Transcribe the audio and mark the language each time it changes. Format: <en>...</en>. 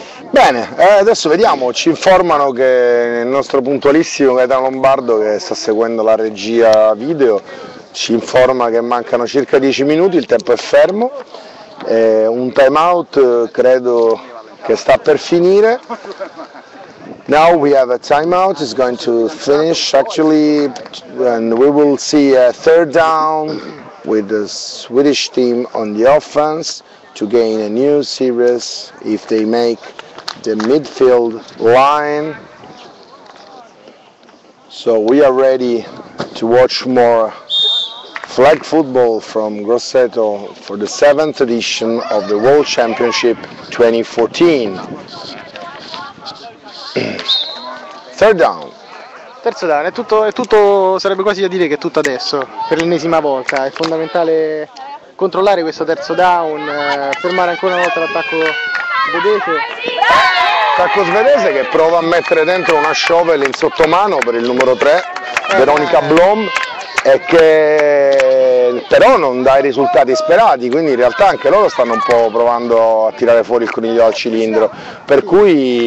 <it>Bene, adesso vediamo, ci informano che il nostro puntualissimo Gaetano Lombardo, che sta seguendo la regia video, ci informa che mancano circa 10 minuti, il tempo è fermo, è un time out credo che sta per finire.</it> <en>Now we have a timeout, it's going to finish actually, and we will see a third down with the Swedish team on the offense to gain a new series if they make the midfield line. So we are ready to watch more flag football from Grosseto for the 7th edition of the World Championship 2014. Third down.</en> <it>Terzo down, è tutto, sarebbe quasi da dire che è tutto adesso, per l'ennesima volta. È fondamentale controllare questo terzo down, fermare ancora una volta l'attacco svedese. Attacco svedese che prova a mettere dentro una shovel in sottomano per il numero 3, Veronica Blom, e che però non dà i risultati sperati, quindi in realtà anche loro stanno un po' provando a tirare fuori il coniglio dal cilindro, per cui</it>